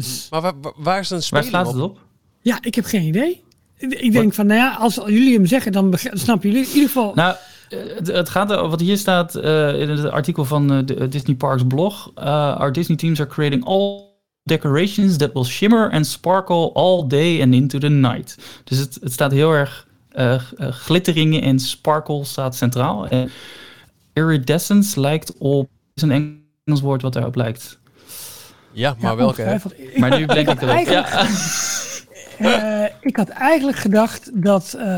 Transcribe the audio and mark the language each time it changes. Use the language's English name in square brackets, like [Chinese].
[Dutch] Maar waar is een speling op? Waar slaat het op? Ja, ik heb geen idee. Ik denk van, nou ja, als jullie hem zeggen, dan snappen jullie in ieder geval... Nou, het gaat er, wat hier staat in het artikel van de Disney Parks blog. [English] Our Disney teams are creating all decorations that will shimmer and sparkle all day and into the night. [Dutch] Dus het staat heel erg, glitteringen en sparkle staat centraal. En iridescence lijkt op... Is een Engels woord wat daarop lijkt. Ja, maar ja, welke? Maar nu denk ik erop. Ja. Ik had eigenlijk gedacht dat...